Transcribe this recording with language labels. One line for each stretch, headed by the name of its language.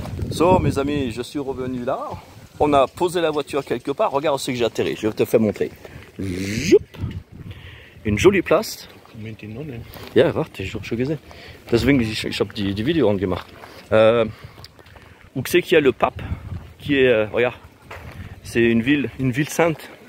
French: So, mes amis, je suis revenu là. On a posé la voiture quelque part. Regarde où c'est que j'ai atterri. Je vais te faire montrer. Joup. Une jolie place.
German: Ja, warte, ich habe schon gesehen. Deswegen, ich habe die Video angemacht.
French: Où c'est qu'il y a le pape qui est, regarde, c'est une ville sainte.